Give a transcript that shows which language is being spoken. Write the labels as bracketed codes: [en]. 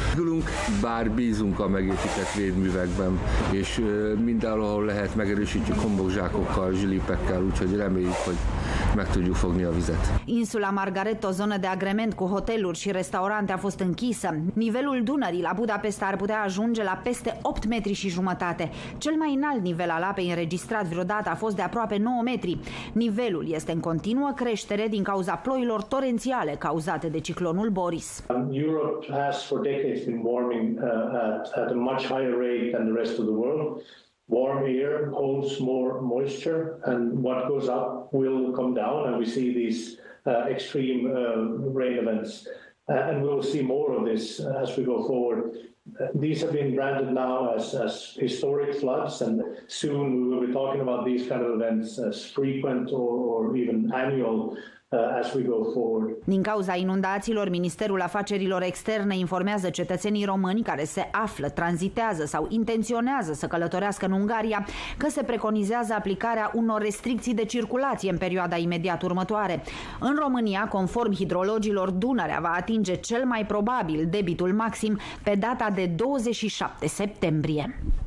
[hu] Gyulunk, bár bízunk a megépített védművekben, és mindenhol, ahol lehet, megerősítjük homokzsákokkal, zsilipekkel, úgyhogy reméljük, hogy meg tudjuk fogni a vizet. [ro] Insula Margareta, zonă de agrement cu hoteluri și restaurante a fost închisă. Nivelul Dunării la Budapesta ar putea ajunge la peste 8 metri și jumătate. Cel mai înalt nivel al apei înregistrat vreodată a fost de aproape 9 metri. Nivelul este în continuă creștere din cauza ploilor torențiale cauzate de ciclonul Boris. [en] Europe has for decades been warming at a much higher rate than the rest of the world. Warm air holds more moisture and what goes up will come down and we see these extreme rain events. And we'll see more of this as we go forward. These have been branded now as historic floods, and soon we will be talking about these kind of events as frequent or even annual as we go forward. [ro] Din cauza inundațiilor, Ministerul Afacerilor Externe informează cetățenii români care se află, tranzitează sau intenționează să călătorească în Ungaria că se preconizează aplicarea unor restricții de circulație în perioada imediat următoare. În România, conform hidrologilor, Dunărea va atinge cel mai probabil debitul maxim pe data de 27 septembrie.